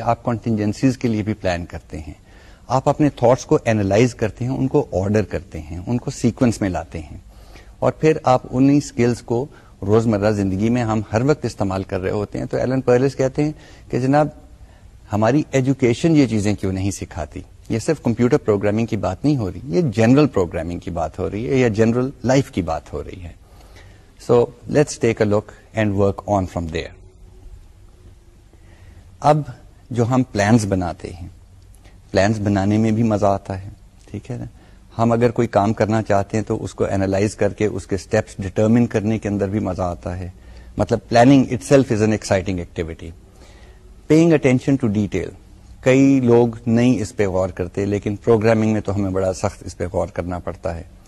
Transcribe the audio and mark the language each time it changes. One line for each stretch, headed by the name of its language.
Urdu: آپ کنٹنجنسیز کے لیے بھی پلان کرتے ہیں, آپ اپنے تھاٹس کو اینالائز کرتے ہیں, ان کو آرڈر کرتے ہیں, ان کو سیکوینس میں لاتے ہیں, اور پھر آپ انہی اسکلس کو روزمرہ زندگی میں ہم ہر وقت استعمال کر رہے ہوتے ہیں. تو ایلن پرلس کہتے ہیں کہ جناب ہماری ایجوکیشن یہ چیزیں کیوں نہیں سکھاتی. یہ صرف کمپیوٹر پروگرامنگ کی بات نہیں ہو رہی, یہ جنرل پروگرامنگ کی بات ہو رہی ہے یا جنرل لائف کی بات ہو رہی ہے.
English: So let's take a look and work on from there.
Urdu: اب جو ہم پلانز بناتے ہیں, پلانز بنانے میں بھی مزہ آتا ہے, ٹھیک ہے نا. ہم اگر کوئی کام کرنا چاہتے ہیں تو اس کو اینالائز کر کے اس کے اسٹیپس ڈٹرمن کرنے کے اندر بھی مزہ آتا ہے. مطلب
English: Planning itself is an exciting activity. Paying attention to detail,
Urdu: کئی لوگ نہیں اس پہ غور کرتے لیکن پروگرامنگ میں تو ہمیں بڑا سخت اس پہ غور کرنا پڑتا ہے.